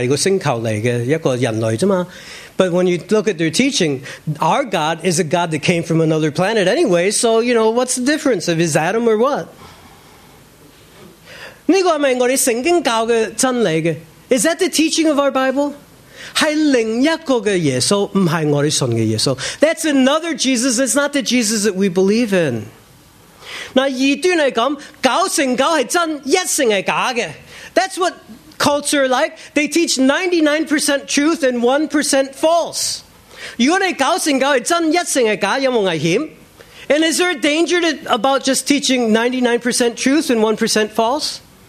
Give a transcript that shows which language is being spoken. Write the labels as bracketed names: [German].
[Chinese] 但当你想他的教导,其实神就是第二个星球来的一个人类而已。 [English] But when you look at their teaching, our God is a God that came from another planet anyway, so you know, what's the difference of is Adam or what? [Chinese] 这个是不是我们圣经教的真理的? [English] Is that the teaching of our Bible? [Chinese] 是另一个的耶稣,不是我们信的耶稣. [English] That's another Jesus, it's not the Jesus that we believe in. [Chinese] 那二端是这样,九成九是真,一成是假的. [English] That's what cults are like. They teach 99% truth and 1% false. [Chinese] 如果你九成九是真,一成是假,有没有危险? [English] And is there a danger about just teaching 99% truth and 1% false?